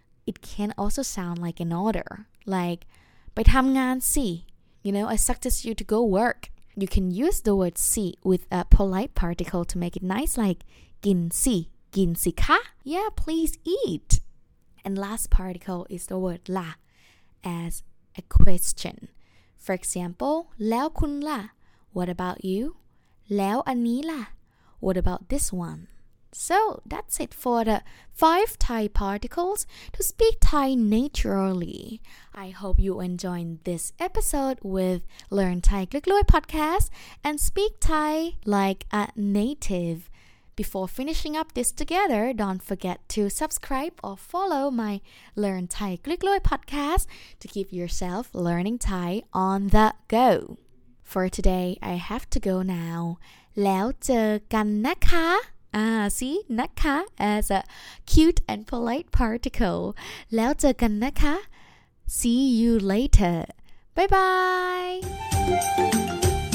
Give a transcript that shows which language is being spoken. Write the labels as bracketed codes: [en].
[en] It can also sound like an order, like, [th] ไปทำงานสิ [en] You know, I suggest you to go work. You can use the word si with a polite particle to make it nice, like, [th] กินสิ กินสิคะ [en] Yeah, please eat. And last particle is the word ล่ะ as a question. For example, [th] แล้วคุณล่ะ [en] What about you? [th] แล้วอันนี้ล่ะ [en] What about this one? So, that's it for the 5 Thai particles to speak Thai naturally. I hope you enjoyed this episode with Learn Thai Glik Lui podcast and speak Thai like a native. Before finishing up this together, don't forget to subscribe or follow my Learn Thai Glik Lui podcast to keep yourself learning Thai on the go. For today, I have to go now. [th] แล้วเจอกันนะคะ [en] See, นะคะ as a cute and polite particle. [th] แล้วเจอกันนะคะ [en] See you later. Bye bye.